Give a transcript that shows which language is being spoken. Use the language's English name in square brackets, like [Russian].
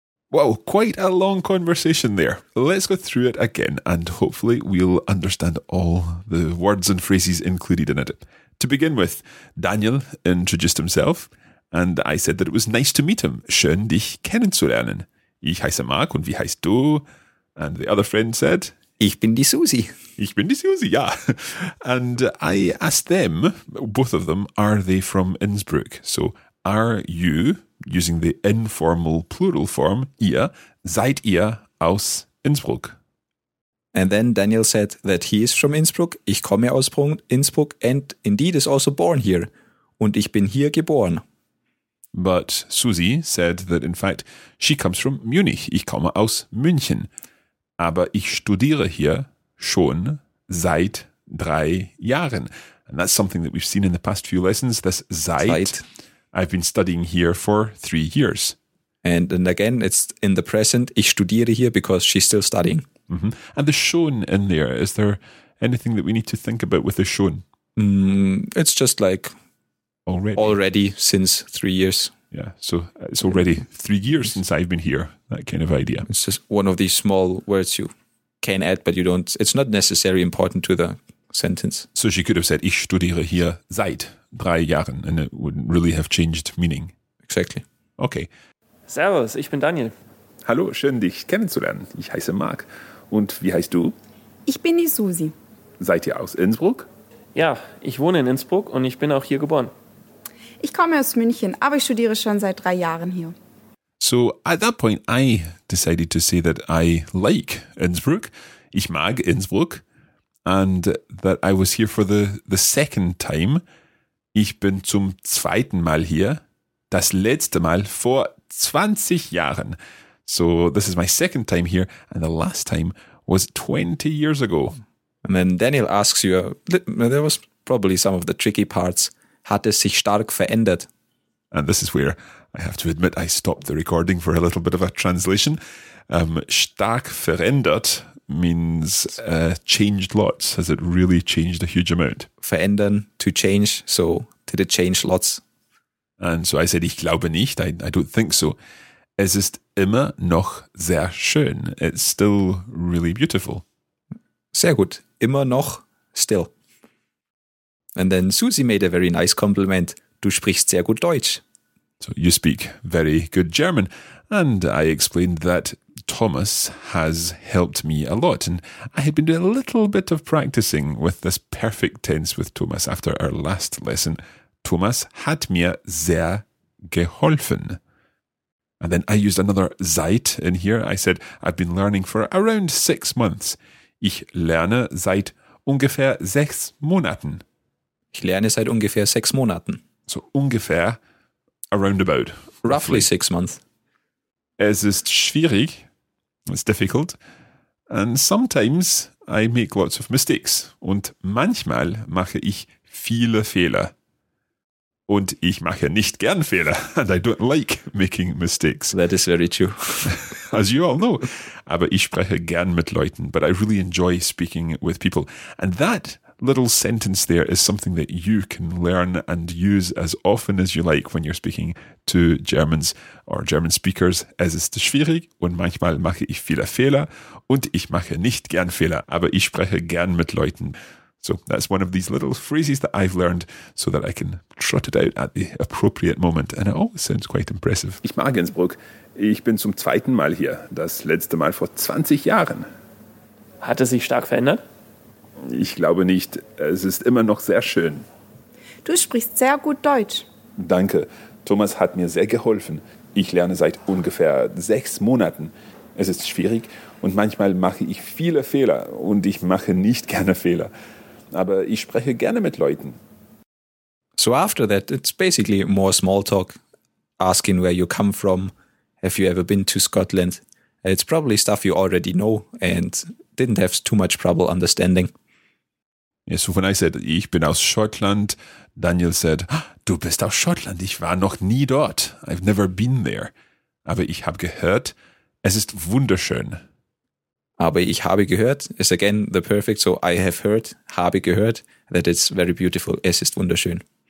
[English] Wow, quite a long conversation there. Let's go through it again and hopefully we'll understand all the words and phrases included in it. To begin with, Daniel introduced himself and I said that it was nice to meet him. [German] Schön, dich kennenzulernen. Ich heiße Marc und wie heißt du? [English] And the other friend said, [German] Ich bin die Susi. Ich bin die Susi, ja. [English] And I asked them, both of them, are they from Innsbruck? So, are you, using the informal plural form, ihr, [German] seid ihr aus Innsbruck? [English] And then Daniel said that he is from Innsbruck. [German] Ich komme aus Innsbruck [English] and indeed is also born here. [German] Und ich bin hier geboren. [English] But Susie said that in fact she comes from Munich. [German] Ich komme aus München. Aber ich studiere hier schon seit 3 Jahren. [English] And that's something that we've seen in the past few lessons. This seit. I've been studying here for 3 years. And again, it's in the present. [German] Ich studiere hier [English] because she's still studying. Mm-hmm. And the schon in there, is there anything that we need to think about with the schon? It's just like already since 3 years. Yeah, so it's already 3 years since I've been here, that kind of idea. It's just one of these small words you can add, but you don't. It's not necessarily important to the sentence. So she could have said, [German] ich studiere hier seit 3 Jahren, [English] and it wouldn't really have changed meaning. Exactly. Okay. [German] Servus, ich bin Daniel. Hallo, schön dich kennenzulernen. Ich heiße Marc. Und wie heißt du? Ich bin die Susi. Seid ihr aus Innsbruck? Ja, ich wohne in Innsbruck und ich bin auch hier geboren. Ich komme aus München, aber ich studiere schon seit 3 Jahren hier. [English] So at that point I decided to say that I like Innsbruck. [German] Ich mag Innsbruck. [English] And that I was here for the second time. [German] Ich bin zum zweiten Mal hier. Das letzte Mal vor 20 Jahren. [English] So this is my second time here. And the last time was 20 years ago. And then Daniel asks you, there was probably some of the tricky parts. [German] Hat es sich stark verändert? [English] And this is where I have to admit I stopped the recording for a little bit of a translation. [German] Stark verändert [English] means changed lots. Has it really changed a huge amount? Verändern, to change. So did it change lots? And so I said, [German] ich glaube nicht. [English] I don't think so. [German] Es ist immer noch sehr schön. [English] It's still really beautiful. [German] Sehr gut. Immer noch, still. [English] And then Susie made a very nice compliment. [German] Du sprichst sehr gut Deutsch. [English] So you speak very good German. And I explained that Thomas has helped me a lot. And I had been doing a little bit of practicing with this perfect tense with Thomas after our last lesson. [German] Thomas hat mir sehr geholfen. [English] And then I used another seit in here. I said, I've been learning for around 6 months. [German] Ich lerne seit ungefähr 6 Monaten. Ich lerne seit ungefähr 6 Monaten. [English] So ungefähr, around about. Roughly 6 months. [German] Es ist schwierig. [English] It's difficult. And sometimes I make lots of mistakes. [German] Und manchmal mache ich viele Fehler. Und ich mache nicht gern Fehler. [English] And I don't like making mistakes. That is very true. As you all know. [German] Aber ich spreche gern mit Leuten. [English] But I really enjoy speaking with people. And that little sentence there is something that you can learn and use as often as you like when you're speaking to Germans or German speakers. Es ist schwierig und manchmal mache ich viele Fehler. Und ich mache nicht gern Fehler. Aber ich spreche gern mit Leuten. So that's one of these little phrases that I've learned so that I can trot it out at the appropriate moment. And it always sounds quite impressive. [German] Ich mag Innsbruck. Ich bin zum zweiten Mal hier. Das letzte Mal vor 20 Jahren. Hat es sich stark verändert? Ich glaube nicht. Es ist immer noch sehr schön. Du sprichst sehr gut Deutsch. Danke. Thomas hat mir sehr geholfen. Ich lerne seit ungefähr 6 Monaten. Es ist schwierig und manchmal mache ich viele Fehler und ich mache nicht gerne Fehler. Aber ich spreche gerne mit Leuten. [English] So after that, it's basically more small talk, asking where you come from, have you ever been to Scotland. It's probably stuff you already know and didn't have too much trouble understanding. Yeah, so when I said, [German] ich bin aus Schottland, [English] Daniel said, [German] du bist aus Schottland, ich war noch nie dort. [English] I've never been there. [German] Aber ich habe gehört, es ist wunderschön. Aber ich habe gehört [English] is again the perfect, so I have heard, [German] habe gehört, [English] that it's very beautiful, [German] es ist wunderschön.